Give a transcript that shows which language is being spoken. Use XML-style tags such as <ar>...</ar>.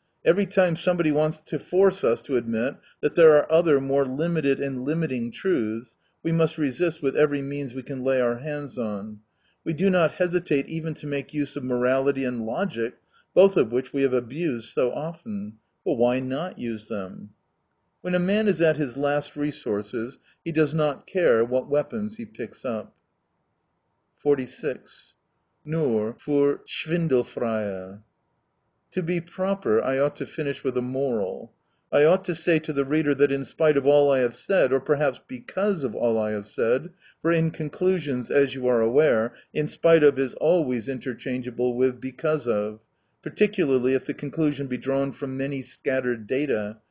<en>Every time somebody wants to force us to admit that there are other, more limited and limiting truths, we must resist with every means we can lay our hands on. We do not hesitate even to make use of morality and logic, both of which we have abused so often. But why not use them? When a man is at his last resources, he does not care what weapons he picks up. 46.</en> <de>Nur Für Schwindelfreie.</de> <en>To be proper, I ought to finish with a moral. I ought to say to the reader that in spite of all I have said, or perhaps because of all I have said, for in conclusions, as you are aware, in spite of is always interchangeable with because of, particularly if the conclusion be drawn from many scattered data.</en>